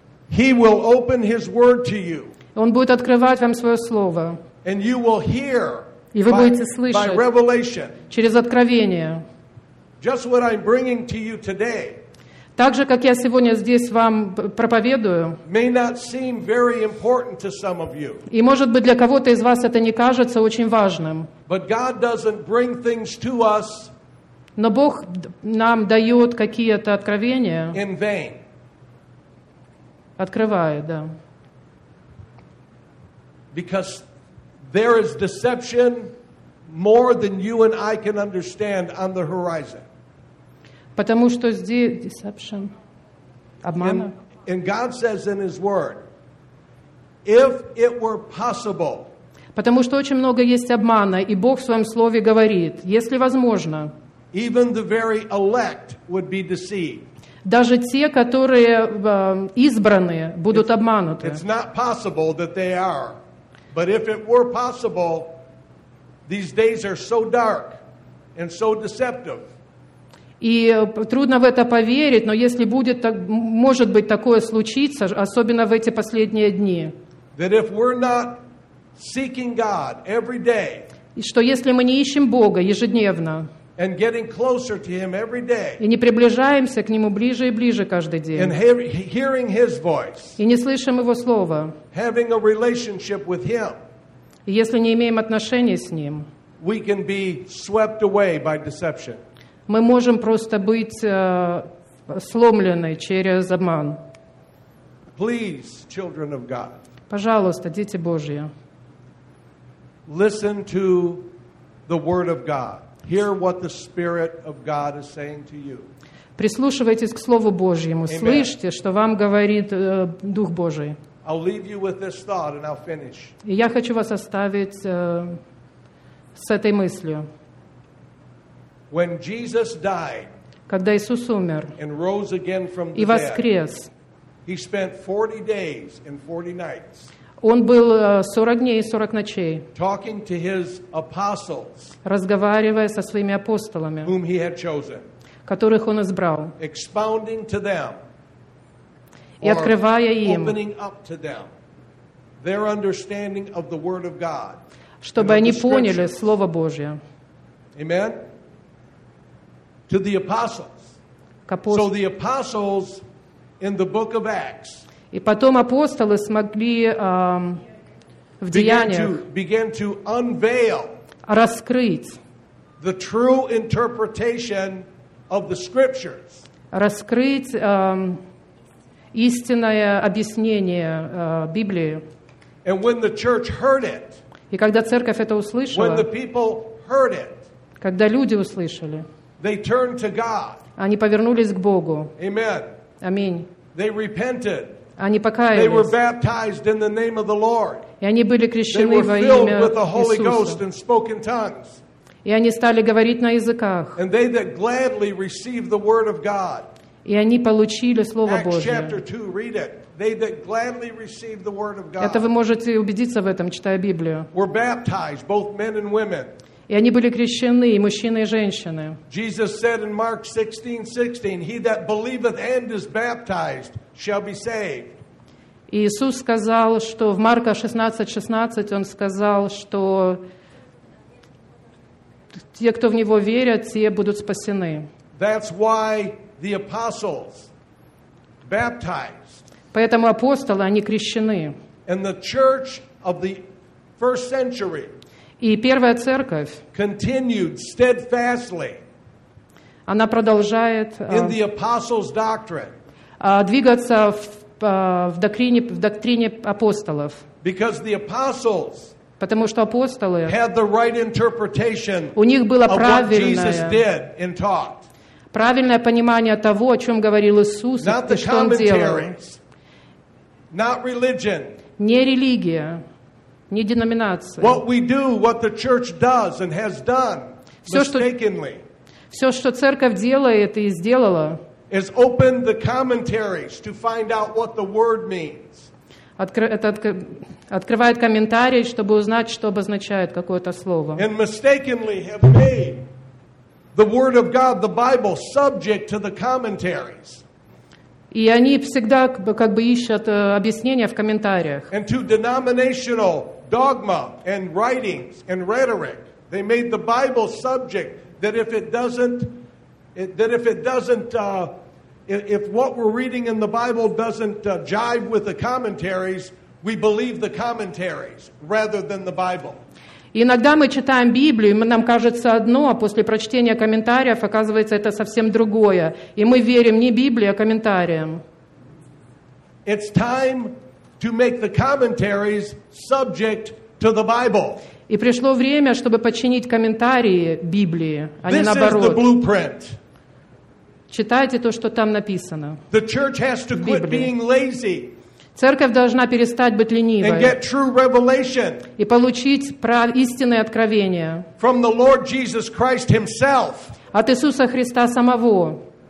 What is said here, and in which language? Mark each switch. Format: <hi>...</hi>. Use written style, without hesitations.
<en>he will open his word to you.</en> <ru>Он будет открывать вам свое слово.</ru> <en>And you will hear,</en> <ru>и вы будете слышать</ru> <en>by revelation,</en> <ru>через откровение.</ru> <en>Just what I'm bringing to you today,</en> <ru>так же, как я сегодня здесь вам проповедую,</ru> <en>may not seem very important to some of you.</en> <ru>И может быть для кого-то из вас это не кажется очень важным.</ru> <en>But God doesn't bring things to us,</en> <ru>но Бог нам дает какие-то откровения.</ru> <en>In vain.</en> <ru>Открывает, да.</ru> <en>Because there is deception more than you and I can understand on the horizon.</en> <ru>Потому что здесь deception, обман.</ru> <en>And God says in His Word, if it were possible.</en> <ru>Потому что очень много есть обмана, и Бог в своем слове говорит, если возможно.</ru> <en>Even the very elect would be deceived.</en> <ru>Даже те, которые избранные, будут обмануты.</ru> <en>It's not possible that they are. But if it were possible, these days are so dark and so deceptive.</en> <ru>И трудно в это поверить, но если будет так, может быть такое случится, особенно в эти последние дни.</ru> <en>That if we're not seeking God every day.</en> <ru>И что если мы не ищем Бога ежедневно.</ru> <en>And getting closer to Him every day.</en> <ru>И не приближаемся к Нему ближе и ближе каждый день.</ru> <en>And hearing His voice.</en> <ru>И не слышим Его слова.</ru> <en>Having a relationship with Him.</en> <ru>И если не имеем отношений с Ним.</ru> <en>We can be swept away by deception.</en> <ru>Мы можем просто быть сломлены через обман.</ru> <en>Please, children of God.</en> <ru>Пожалуйста, дети Божьи.</ru> <en>Listen to the Word of God. Hear what the Spirit of God is saying to you.</en> <ru>Прислушивайтесь к Слову Божьему.</ru> <en>Amen.</en> <ru>Слышьте, что вам говорит Дух Божий.</ru> <en>I'll leave you with this thought and I'll finish.</en> <ru>И я хочу вас оставить с этой мыслью.</ru> <en>When Jesus died,</en> <ru>когда Иисус умер,</ru> <en>and rose again from the</en> <ru>dead, и воскрес,</ru> <en>he spent 40 days and 40 nights.</en> <ru>Он был 40 дней и 40 ночей,</ru> <en>talking to his apostles,</en> <ru>разговаривая со своими апостолами,</ru> <en>whom he had chosen,</en> <ru>которых он избрал,</ru> <en>expounding to them,</en> <ru>и открывая им,</ru> <en>opening up to them, their understanding of the Word of God,</en> <ru>чтобы они поняли Слово Божье.</ru> <en>Amen? To the apostles. So the apostles in the book of Acts,</en> <ru>и потом апостолы смогли в деяниях раскрыть истинное объяснение Библии.</ru> <en>And when the church heard it,</en> <ru>и когда церковь это услышала,</ru> <en>when the people heard it,</en> <ru>когда люди услышали,</ru> <en>they turned to God.</en> <ru>Они повернулись к Богу.</ru> <en>Amen.</en> <ru>Аминь.</ru> <en>They repented.</en> <ru>Они покаялись.</ru> <en>They were baptized in the name of the Lord.</en> <ru>И они были крещены во имя Иисуса. И они стали говорить на языках.</ru> <en>And they that gladly received the word of God.</en> <ru>И они получили Слово Божье.</ru> <en>Acts chapter 2, read it. They that gladly received the word of God.</en> <ru>Это вы можете убедиться в этом, читая Библию.</ru> <en>Were baptized, both men and women.</en> <ru>И они были крещены, и мужчины, и женщины.</ru> <en>Jesus said in Mark 16:16, he that believeth and is baptized shall be saved.</en> <ru>Иисус сказал, что в Марка 16:16 он сказал, что те, кто в него верят, те будут спасены.</ru> <en>That's why the apostles baptized.</en> <ru>Поэтому апостолы, они крещены.</ru> <en>And the church of the first century,</en> <ru>и первая церковь,</ru> <en>continued steadfastly,</en> <ru>она продолжает</ru> <en>in the apostles' doctrine,</en> <ru>двигаться в доктрине апостолов.</ru> <en>Because the apostles,</en> <ru>потому что апостолы,</ru> <en>had the right interpretation,</en> <ru>у них было правильное,</ru> <en>of what Jesus did and taught.</en> <ru>Правильное понимание того, о чем говорил Иисус,</ru> <en>not</en> <ru>и что Он делал.</ru> <en>Not religion,</en> <ru>не религия. Не деноминация.</ru> <en>What we do, what the church does and has done, mistakenly.</en> <ru>Все, что церковь делает и сделала,</ru> <en>is open the commentaries to find out what the word means.</en> <ru>Открывает комментарии, чтобы узнать, что обозначает какое-то слово.</ru> <en>And mistakenly have made the Word of God, the Bible, subject to the commentaries.</en> <ru>И они всегда как бы ищут объяснения в комментариях.</ru> <en>And to denominational dogma and writings and rhetoric, they made the Bible subject that if it doesn't, if what we're reading in the Bible doesn't jive with the commentaries, we believe the commentaries rather than the Bible.</en> <ru>Иногда мы читаем Библию, и нам кажется одно, а после прочтения комментариев оказывается это совсем другое. И мы верим не Библии, а комментариям.</ru> <en>It's time to make the commentaries subject to the Bible.</en> <ru>И пришло время, чтобы подчинить комментарии Библии, а не наоборот.</ru> <en>This is the blueprint.</en> <ru>Читайте то, что там написано.</ru> <en>The church has to quit being lazy.</en> <ru>Церковь должна перестать быть ленивой и получить истинное откровение от Иисуса Христа самого.</ru>